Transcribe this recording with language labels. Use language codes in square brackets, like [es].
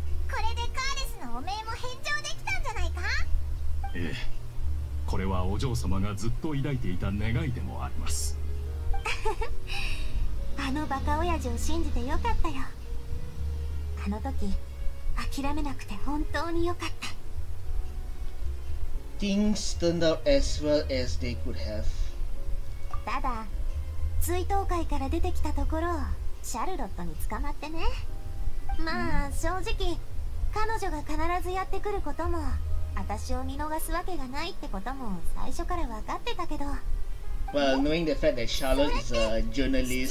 [ja] これでカーレスの汚名も返上できたんじゃないか。ええ、これはお嬢様がずっと抱いていた願いでもあります。あのバカ親父を信じてよかったよ。あの時諦めなくて本当によかった。 [en] Things turned out as well as they could have。 [ja] ただ追悼会から出てきたところをシャルロットに捕まってね。まあ正直彼女が必ずやってくることも私を見逃すわけがないってことも最初から分かってたけど。 [en] Well, knowing the fact that Charlotte is a journalist。